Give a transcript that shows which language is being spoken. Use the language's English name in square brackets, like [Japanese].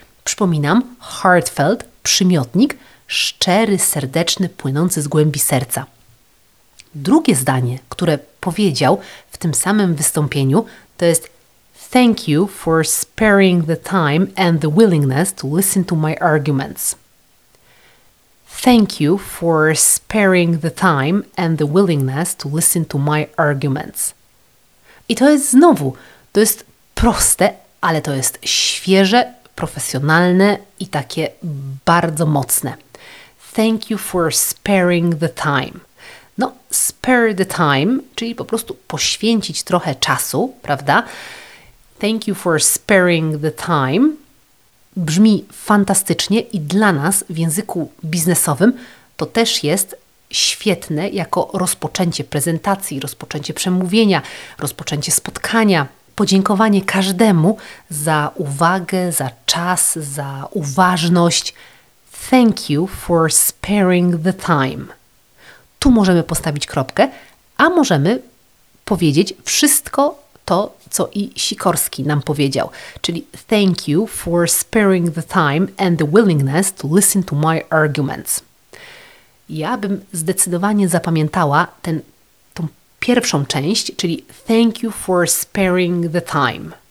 [Polish] Przypominam, heartfelt, przymiotnik, szczery, serdeczny, płynący z głębi serca. Drugie zdanie, które powiedział w tym samym wystąpieniu, to jest [English] "Thank you for sparing the time and the willingness to listen to my arguments". Thank you for sparing the time and the willingness to listen to my arguments. [Polish] I to jest znowu, to jest proste, ale to jest świeże, profesjonalne i takie bardzo mocne. [English] thank you for sparing the time. [Polish] No, spare the time, czyli po prostu poświęcić trochę czasu, prawda? [English] Thank you for sparing the time. [Polish] Brzmi fantastycznie i dla nas w języku biznesowym to też jest świetne jako rozpoczęcie prezentacji, rozpoczęcie przemówienia, rozpoczęcie spotkania, podziękowanie każdemu za uwagę, za czas, za uważność. [English] Thank you for sparing the time. [Polish] Tu możemy postawić kropkę, a możemy powiedzieć wszystko to, co i Sikorski nam powiedział. [English] Czyli thank you for sparing the time and the willingness to listen to my arguments. [Polish] Ja bym zdecydowanie zapamiętała tą pierwszą część, czyli [English] thank you for sparing the time.